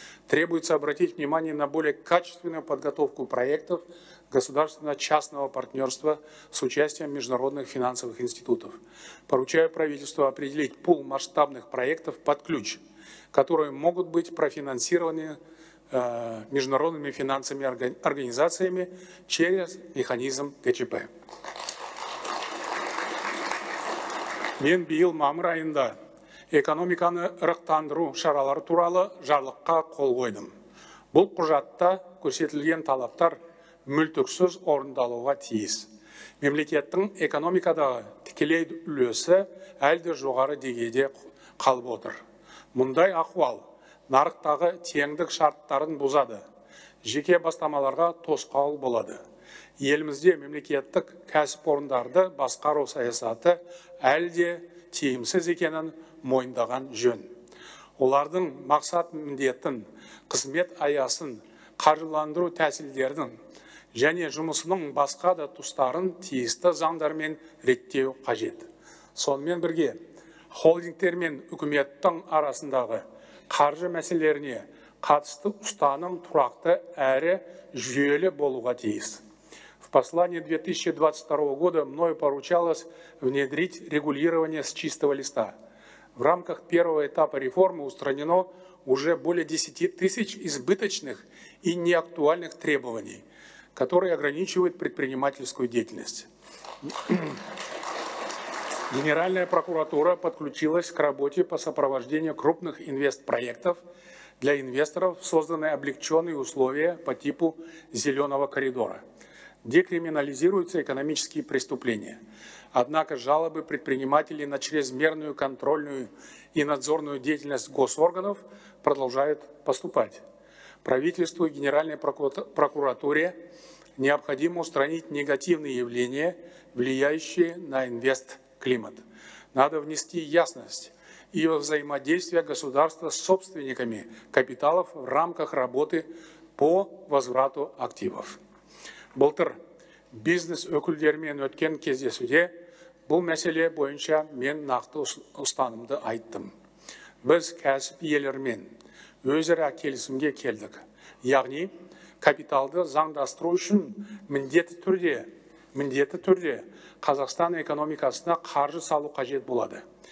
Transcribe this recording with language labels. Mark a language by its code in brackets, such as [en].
[ru] Требуется обратить внимание на более качественную подготовку проектов государственно-частного партнерства с участием международных финансовых институтов. Поручаю правительству определить пул масштабных проектов под ключ, которые могут быть профинансированы международными финансовыми организациями через механизм ГЧП. [kk] Мен биыл мамыр айында экономиканы рықтандыру шаралары туралы жарлыққа қол қойдым. Бұл құжатта көрсетілген талаптар мүлтіксіз орындалуға тиіс. Мемлекеттің экономикадағы тікелей үлесі әлде жоғары дегеде қалып отыр. Мұндай ахуал нарықтағы теңдік шарттарын бұзады. Жеке бастамаларға тосқауыл болады. Елімізде мемлекеттік кәсіп орындарды басқару саясаты әлде тиімсіз екенін мойындаған жөн. Олардың мақсат міндетін, қызмет аясын, қаржыландыру тәсілдерін және жұмысының басқа да тұстарын тиісті заңдармен реттеу қажет. Сонымен бірге холдингтер мен үкіметтің арасындағы қаржы мәселелеріне қатысты ұстаным тұрақты әрі жүйелі болуға тиіс. [ru] В послании 2022 года мною поручалось внедрить регулирование с чистого листа. В рамках первого этапа реформы устранено уже более 10 тысяч избыточных и неактуальных требований, которые ограничивают предпринимательскую деятельность. Генеральная прокуратура подключилась к работе по сопровождению крупных инвестпроектов. Для инвесторов созданы облегченные условия по типу «зеленого коридора». Декриминализируются экономические преступления. Однако жалобы предпринимателей на чрезмерную контрольную и надзорную деятельность госорганов продолжают поступать. Правительству и Генеральной прокуратуре необходимо устранить негативные явления, влияющие на инвест-климат. Надо внести ясность и во взаимодействие государства с собственниками капиталов в рамках работы по возврату активов. [kk] Былтыр бизнес өкілдерімен өткен кездесуде бұл мәселе бойынша мен нақты ұстанымды айттым. Біз кәсіп иелерімен өзара келісімге келдік. [ru] Яғни, капиталды заңдастыру үшін міндетті түрде Қазақстан экономикасына қаржы салу қажет болады.